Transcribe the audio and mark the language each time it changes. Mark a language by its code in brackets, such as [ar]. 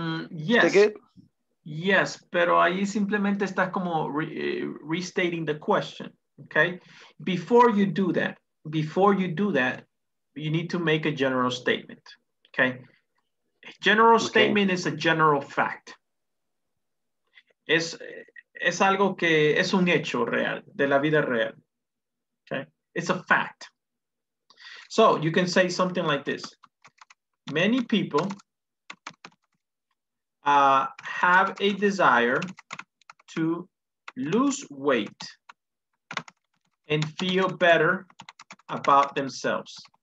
[en] Yes. Yes, [es] pero ahí simplemente estás como [en] restating the question, okay? Before you do that, you need to make a general statement, okay? General statement is a general fact. [es] Es algo que es un hecho real, de la vida real, [en] okay? It's a fact. So you can say something like this. Many people have a desire to lose weight and feel better about themselves.